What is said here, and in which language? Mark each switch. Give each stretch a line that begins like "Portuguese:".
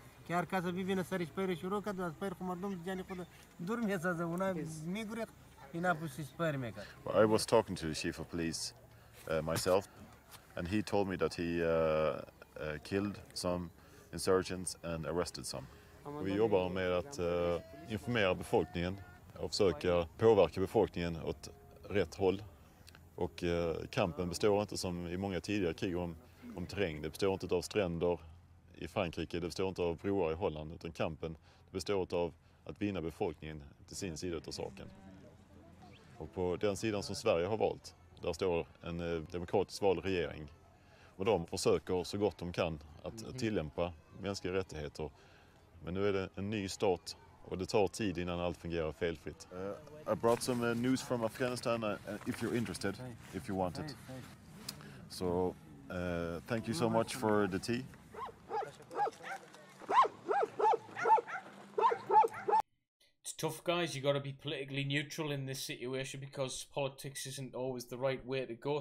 English: یار کازا ببینه سرش پیر شروع کرد و از پیر خمردم جان خود دور میسازه اونها میگره اینا پوشش پیر میکنه. I was talking to the chief of police myself and he told me that he killed some insurgents and arrested some.
Swedish: Vi jobbar med att informera befolkningen och försöka påverka befolkningen åt rätt håll och kampen består inte som i många tidigare krig om terräng. Det består inte av stränder i Frankrike, det består inte av broar i Holland, utan kampen består av att vinna befolkningen till sin sida av saken. Och på den sidan som Sverige har valt, där står en demokratiskt vald regering. Och de försöker så gott de kan att tillämpa mänskliga rättigheter. Men nu är det en ny start och det tar tid innan allt fungerar felfritt.
English: I brought some news from Afghanistan, if you're interested, if you want it. So, thank you so much for the tea. Tough guys, you got to be politically neutral in this situation because politics isn't always the right way to go.